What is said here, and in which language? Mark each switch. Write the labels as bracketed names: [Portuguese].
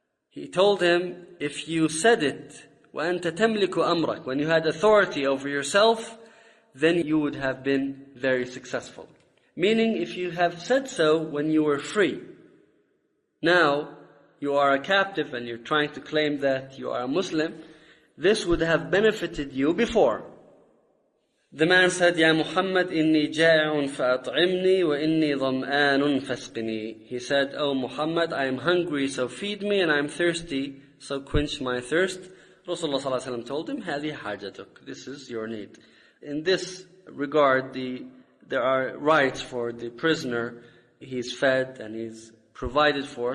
[English] He told him, if you said it, [Arabic] وَأَنْتَ تَمْلِكُ أَمْرَكُ, [English] when you had authority over yourself, then you would have been very successful. Meaning, if you have said so when you were free, now you are a captive and you're trying to claim that you are a Muslim, this would have benefited you before. The man said, [Arabic] يَا مُحَمَّدْ إِنِّي جَائِعٌ فَأَطْعِمْنِي وَإِنِّي ضَمْآنٌ فَاسْقِنِي. [English] He said, O Muhammad, I am hungry, so feed me, and I am thirsty, so quench my thirst. Rasulullah sallallahu alaihi wasallam told him, [Arabic] "Hadi hajatuk." [English] This is your need. In this regard, the there are rights for the prisoner. He's fed and he's provided for.